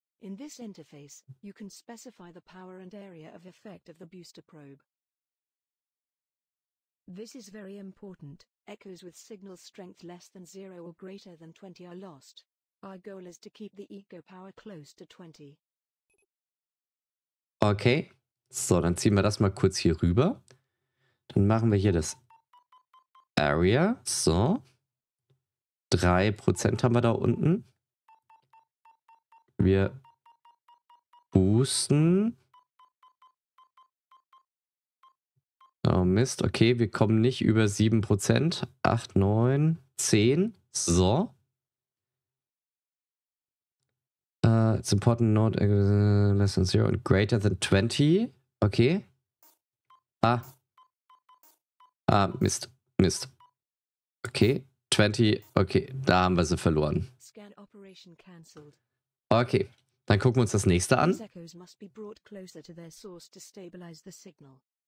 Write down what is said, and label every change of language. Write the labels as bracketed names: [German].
[English] In this interface, you can specify the power and area of effect of the booster probe. This is very important. Echoes with signal strength less than 0 or greater than 20 are lost. Our goal is to keep the eco power close to 20. [German] Okay, so dann ziehen wir das mal kurz hier rüber. Dann machen wir hier das Area. So. 3% haben wir da unten. Wir boosten. Oh Mist, okay, wir kommen nicht über 7%. 8, 9, 10. So. [English] It's important not less than 0 and greater than 20. [German] Okay. Ah. Ah, Mist. Mist. Okay. 20. Okay, da haben wir sie verloren. [English] Scan operation cancelled. [German] Okay, dann gucken wir uns das nächste an. [English] These echoes must be brought closer to their source to stabilize the signal.